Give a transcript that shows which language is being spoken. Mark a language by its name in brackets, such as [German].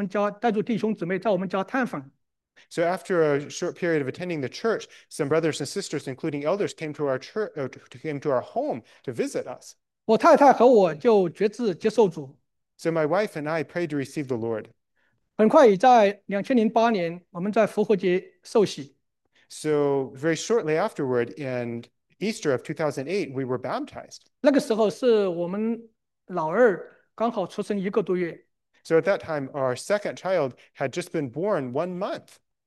[Chinese] 聚会一段时间过后,然后因住加州教会一位长老到我们家,带着弟兄姊妹到我们家探访。 [English] So after a short period of attending the church, some brothers and sisters, including elders, came to our home to visit us. [Chinese] 我太太和我就决志接受主。 [English] So my wife and I prayed to receive the Lord. [Chinese] 很快在2008年,我们在复活节受洗。 [English] So very shortly afterward, in Easter of 2008, we were baptized. [Chinese] 那个时候是我们老二刚好出生1个多月。 [English] So at that time, our second child had just been born 1 month.